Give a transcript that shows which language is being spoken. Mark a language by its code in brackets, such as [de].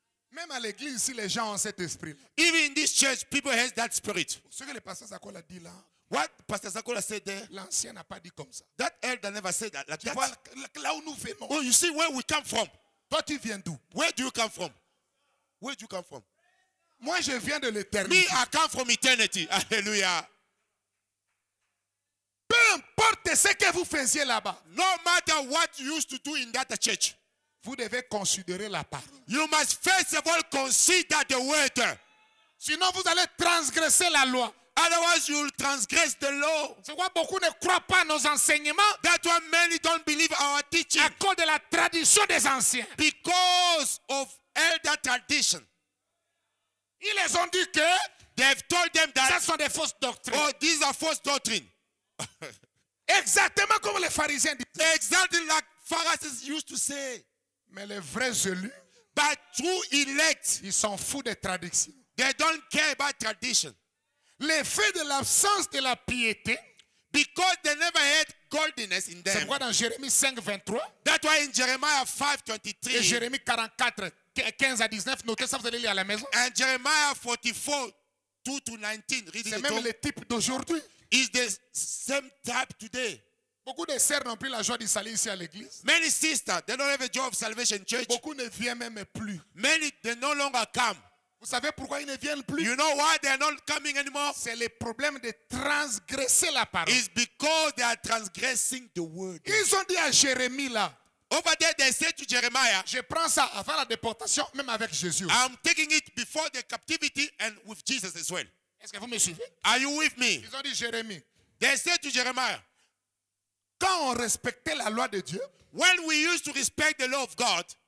[fr] Même à l'église, si les gens ont cet esprit. [en] Even in this church, people have that spirit. [fr] Ce que le pasteur Zakola dit là. [en] What Pastor Zakola said there. [fr] L'ancien n'a pas dit comme ça. [en] That elder never said that. Like [fr] tu [en] that. [fr] Vois là où nous venons. [en] Oh, you see where we come from. [fr] Toi, tu viens d'où? [en] Where do you come from? Where do you come from? [fr] Moi, je viens de l'éternité. [en] Me, I come from eternity. Alléluia. [fr] Peu importe ce que vous faisiez là-bas. [en] No matter what you used to do in that church. [fr] Vous devez considérer la parole. [en] You must first of all consider the word. [fr] Sinon vous allez transgresser la loi. [en] Otherwise you will transgress the law. [fr] C'est pourquoi beaucoup ne croient pas nos enseignements. [en] That's why many don't believe our teaching. [fr] À cause de la tradition des anciens. [en] Because of elder tradition. [fr] Ils les ont dit que. [en] They've told them that. [fr] Ce sont des fausses doctrines. [en] Oh, these are false doctrines. [fr] Exactement comme les pharisiens disent. [en] Exactly like Pharisees used to say. [fr] Mais les vrais élus, [en] but true elect, [fr] ils s'en foutent des traditions. [en] They don't care about tradition. [fr] L'effet de l'absence de la piété, [en] because they never had godliness in them. [fr] C'est pourquoi dans Jérémie 5, 23, [en] that's why in Jeremiah 5, 23, [fr] et Jérémie 44, 15 à 19, notez ça, vous allez lire à la maison. [en] And Jeremiah 44, 2 to 19, [fr] c'est même le type d'aujourd'hui. [en] Is the same type today. [fr] Beaucoup de sœurs n'ont plus la joie de salir ici à l'église. [en] Many sisters, they don't have a joy of salvation church. [fr] Beaucoup ne viennent même plus. [en] Many, they no longer come. [fr] Vous savez pourquoi ils ne viennent plus? [en] You know why they are not coming anymore? [fr] C'est le problème de transgresser la parole. [en] It's because they are transgressing the word. [fr] Ils ont dit à Jérémie là. [en] Over there, they said to Jeremiah. [fr] Je prends ça avant la déportation, même avec Jésus. [en] I'm taking it before the captivity and with Jesus as well. [fr] Est-ce que vous me suivez? [en] Are you with me? [fr] Ils ont dit Jérémie. [en] They said to Jeremiah. [fr] Quand on respectait la loi de Dieu, [en] when we used to respect the law of God,